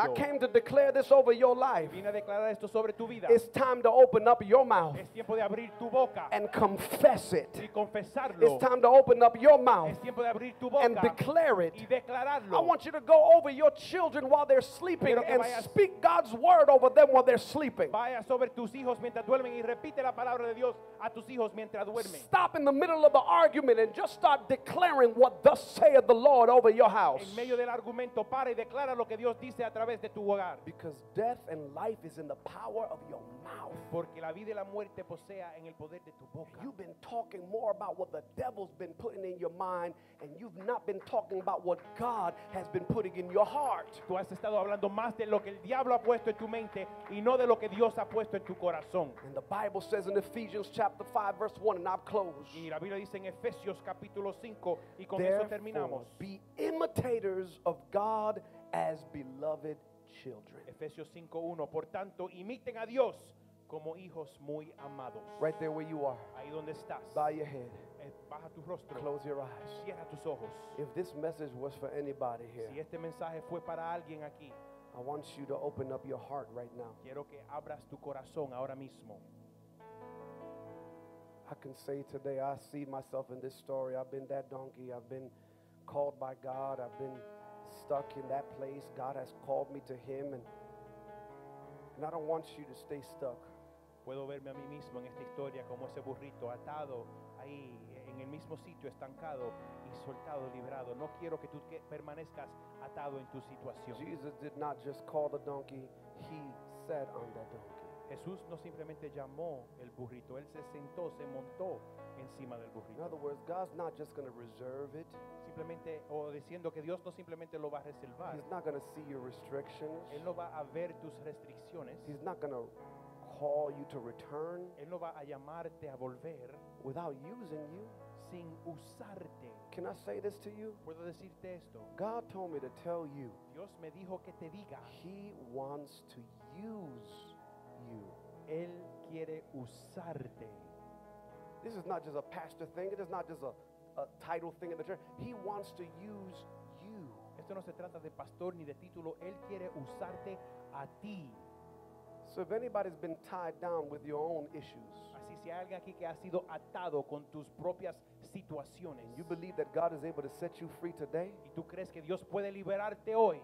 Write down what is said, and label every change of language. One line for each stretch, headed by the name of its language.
English: And I came to declare this over your life.
Spanish: Vine a declarar esto sobre tu vida.
English: It's time to open up your mouth.
Spanish: Es tiempo de abrir tu boca.
English: And confess it.
Spanish: Y confesarlo.
English: It's time to open up your mouth.
Spanish: Es tiempo de abrir tu boca.
English: And declare it.
Spanish: Y declararlo.
English: I want you to go over your children while they're sleeping.
Spanish: Quiero que
English: and
Spanish: vayas,
English: speak God's word over them while they're sleeping.
Spanish: Vaya sobre tus hijos mientras duermen y repite la palabra de Dios a tus hijos mientras duermen.
English: Stop in the middle of the argument and just start declaring what thus saith the Lord over your house.
Spanish: En medio del argumento, para y declara lo que Dios dice a través de tu hogar.
English: Because death and life is in the power of your mouth.
Spanish: Porque la vida y la muerte posea en el poder de tu boca.
English: You've been talking more about what the devil's been putting in your mind, and you've not been talking about what God has been putting in your heart.
Spanish: Tú has estado hablando más de lo que el diablo ha puesto en tu mente y no de lo que Dios ha puesto en tu corazón.
English: And the Bible says in Ephesians chapter 5 verse 1, and I've closed.
Spanish: Y la Biblia dice en Efesios capítulo 5 y con eso terminamos.
English: Be imitators of God as beloved children.
Spanish: Efesios 5:1. Por tanto, imiten a Dios como hijos muy amados.
English: Right there where you are.
Spanish: Ahí donde estás.
English: Bow your head.
Spanish: Baja tu rostro.
English: Close your eyes.
Spanish: Cierra tus ojos.
English: If this message was for anybody here,
Spanish: si este mensaje fue para alguien aquí,
English: I want you to open up your heart right now.
Spanish: Quiero que abras tu corazón ahora mismo.
English: I can say today, I see myself in this story. I've been that donkey. I've been called by God. I've been stuck in that place. God has called me to him, and I don't want you to stay stuck.
Spanish: Puedo verme a mí mismo en esta historia como ese burrito atado ahí en el mismo sitio, estancado y soltado, librado. No quiero que tú permanezcas atado en tu situación.
English: Jesus did not just call the donkey, he sat on that donkey.
Spanish: Jesús no simplemente llamó el burrito, él se sentó, se montó encima del burrito.
English: In other words, God's not just going to reserve it.
Spanish: Simplemente, o diciendo que Dios no simplemente lo va a reservar.
English: He's not going to see your restrictions.
Spanish: Él no va a ver tus restricciones.
English: He's not going to call you to return.
Spanish: Él no va a llamarte a volver.
English: Without using you.
Spanish: Sin usarte.
English: Can I say this to you?
Spanish: Puedo decirte esto.
English: God told me to tell you.
Spanish: Dios me dijo que te diga.
English: He wants to use you.
Spanish: Él quiere usarte.
English: This is not just a pastor thing. It is not just a title thing in the church. He wants to use you.
Spanish: Esto no se trata de pastor ni de título. Él quiere usarte a ti.
English: So if anybody's been tied down with your own issues,
Spanish: así si hay alguien aquí que ha sido atado con tus propias situaciones,
English: you believe that God is able to set you free today,
Spanish: y tú crees que Dios puede liberarte hoy,